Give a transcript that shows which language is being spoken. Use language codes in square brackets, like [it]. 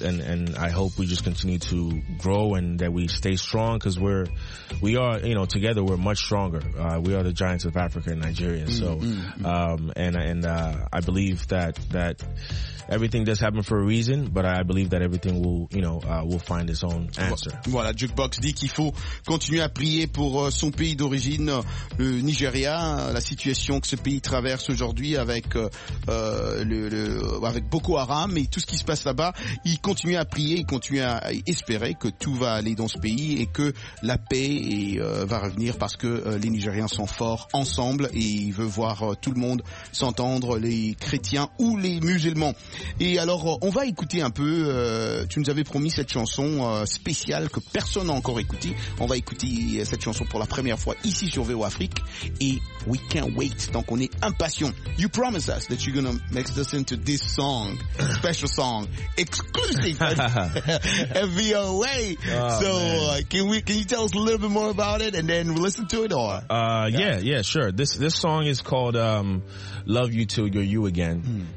[en] And I hope we just continue to grow and that we stay strong, because we are, you know, together we're much stronger. We are the giants of Africa and Nigeria. So, I believe that everything does happen for a reason, but I believe that everything will, you know, will find its own answer. [fr] Voilà, Jukebox dit qu'il faut continuer à prier pour son pays d'origine. Cameroun, le Nigeria, la situation que ce pays traverse aujourd'hui avec avec Boko Haram et tout ce qui se passe là-bas, il continue à prier, il continue à espérer que tout va aller dans ce pays et que la paix va revenir parce que les Nigériens sont forts ensemble et il veut voir tout le monde s'entendre, les chrétiens ou les musulmans. Et alors, on va écouter un peu, tu nous avais promis cette chanson spéciale que personne n'a encore écoutée. On va écouter cette chanson pour la première fois ici sur VO Afrique et [en] we can't wait, [fr] donc on est impatients. [en] You promise us that you're gonna make us listen to this song, special song, exclusive VOA. Can you tell us a little bit more about it and then we'll listen to it? Or Yeah, sure. This song is called Love You Till You're You Again.